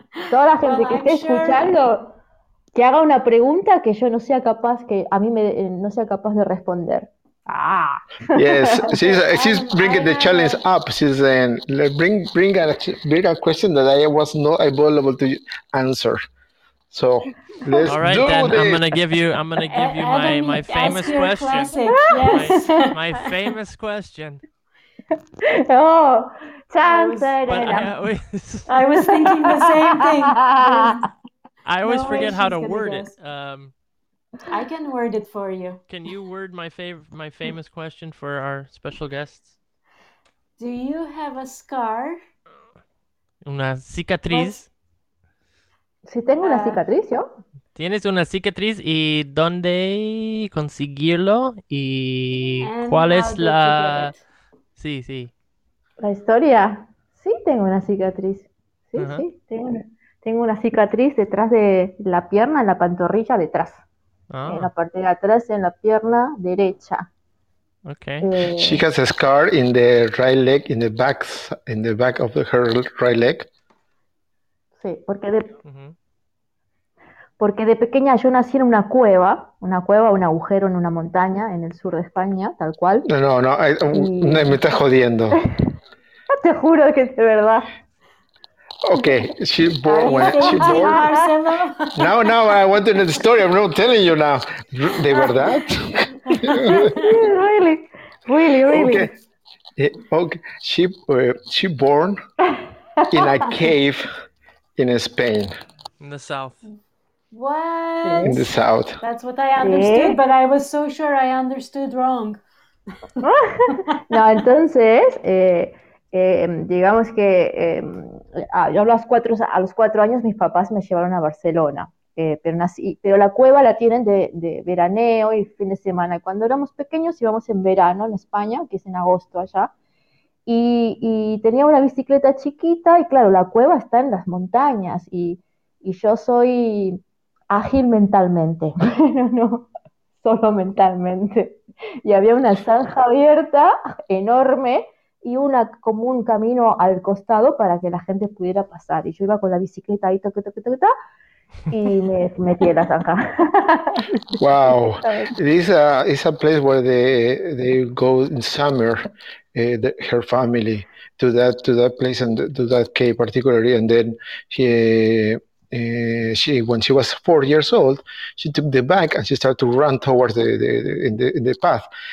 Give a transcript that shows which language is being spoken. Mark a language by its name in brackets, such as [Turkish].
[Spanish] Toda la gente que esté escuchando, que haga una pregunta que yo no sea capaz, que a mí me no sea capaz de responder. [English] Ah, yes, she's bringing the challenge up. She's saying, bring a question that I was not available to answer. So let's all right, do then. This. I'm gonna give you my famous question. My famous question. Oh, chance. I was thinking the same thing. I always forget how to word it. I can word it for you. Can you word my famous question for our special guests? Do you have a scar? [Spanish] Una cicatriz. Si tengo una cicatriz, yo. ¿Tienes una cicatriz y dónde conseguirlo? ¿Y cuál es la...? Sí, sí. ¿La historia? Sí, tengo una cicatriz. Sí, sí. Tengo una cicatriz detrás de la pierna, en la pantorrilla, detrás. Oh. En la parte de atrás, en la pierna derecha. [English] Okay. She has a scar in the right leg, in the back of her right leg. [Spanish] Sí, porque de porque de pequeña yo nací en una cueva, un agujero en una montaña en el sur de España, tal cual. No, me estás jodiendo. Te juro que es de verdad. [English] Okay, she bore. Now I want to know the story. I'm not telling you now. De verdad? Really, really, really. Okay. She born in a cave in Spain. In the south. What? In the south. That's what I understood, but I was so sure I understood wrong. [Spanish] No, entonces. Digamos que yo a los cuatro años mis papás me llevaron a Barcelona, pero la cueva la tienen de veraneo y fin de semana. Cuando éramos pequeños íbamos en verano en España, que es en agosto allá, y tenía una bicicleta chiquita y claro, la cueva está en las montañas y yo soy ágil mentalmente, pero no solo mentalmente, y había una zanja abierta enorme y una como un camino al costado para que la gente pudiera pasar. Y yo iba con la bicicleta ahí, toque, toque, toque, y me metí en la zanja. [English] Wow. It's a place where they go in summer, her family, to that place and to that cave particularly. And then when she was 4 years old, she took the bike and she started to run towards the path.